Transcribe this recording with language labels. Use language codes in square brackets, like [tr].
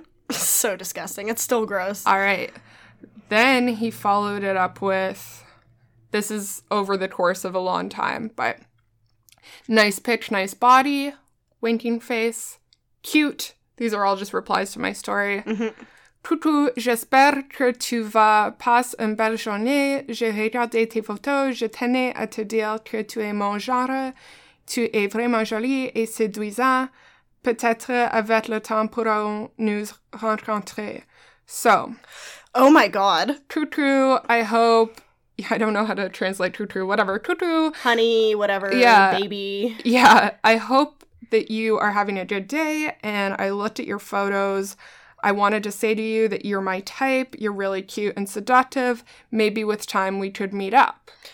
[en] So disgusting. It's still gross. All right. Then he followed it up with, this is over the course of a long time, but nice pitch, nice body, winking face, cute. These are all just replies to my story. [fr] Coucou, j'espère que tu vas passer une belle journée. J'ai regardé tes photos. Je tenais à te dire que tu es mon genre. Tu es vraiment jolie et séduisant. Peut-être avec le temps pourrons-nous rencontrer. [en] So. Oh my god. Coucou, I hope. I don't know how to translate coucou, whatever. Coucou. Honey, whatever. Yeah. Baby. Yeah. I hope that you are having a good day. And I looked at your photos. I wanted to say to you that you're my type. You're really cute and seductive. Maybe with time we could meet up.